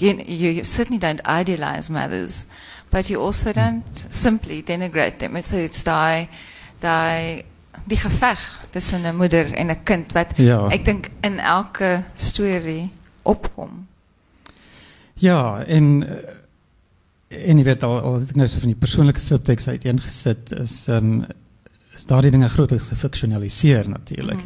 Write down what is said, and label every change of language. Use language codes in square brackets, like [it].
[en] You certainly don't idealize mothers, but you also don't simply denigrate them. So it's [af] die geveg tussen 'n moeder en 'n kind, wat ja. Ek dink in elke story opkom. Ja, en jy weet al het ek nou so van die persoonlijke subtekst uiteengesit, is daar die dinge groot gefictionaliseer natuurlijk.